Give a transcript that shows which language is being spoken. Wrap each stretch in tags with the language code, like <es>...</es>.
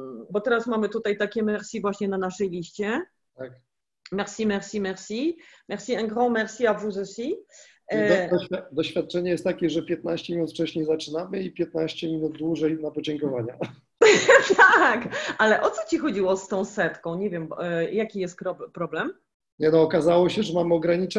<pl>Bo teraz mamy tutaj takie merci właśnie na naszej liście. Tak.</pl> <fr>Merci, merci, merci. Merci, un grand merci à vous aussi.</fr> <pl>Doświadczenie jest takie, że 15 minut wcześniej zaczynamy i 15 minut dłużej na podziękowania. Tak, ale o co ci chodziło z tą setką? Nie wiem, jaki jest problem? Nie, okazało się, że mamy ograniczenie.</pl>